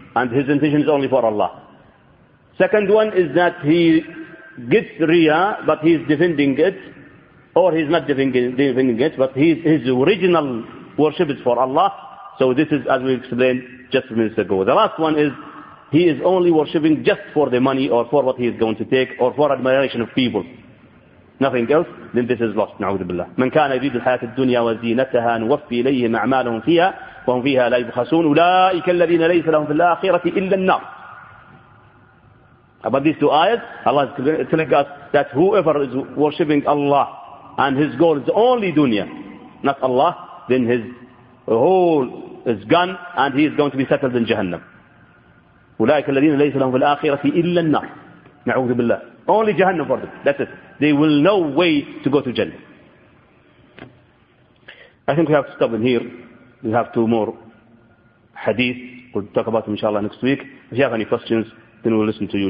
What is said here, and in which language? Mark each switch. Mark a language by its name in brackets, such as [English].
[English] And his intention is only for Allah. Second one is that he gets Riya, but he's defending it. Or he's not defending it, but his original worship is for Allah. So this is, as we explained just a minute ago. The last one is, he is only worshipping just for the money or for what he is going to take or for admiration of people. Nothing else, then this is lost. [Arabic] نعوذ بالله. من كان يريد الحياة الدنيا وزينتها نوفي إليهم أعمالهم فيها وهم فيها لا يبخسون أولئك الذين ليس لهم في الآخرة إلا النار. [English] About these two ayahs, Allah is telling us that whoever is worshipping Allah and his goal is only dunya, not Allah, then his whole is gone and he is going to be settled in Jahannam. [Arabic] أولئك الذين ليس لهم في الآخرة إلا النار. نعوذ بالله. [English] Only Jahannam for them. That's it. They will no way to go to Jannah. I think we have to stop in here. We have two more hadith. We'll talk about them inshallah next week. If you have any questions, then we'll listen to you.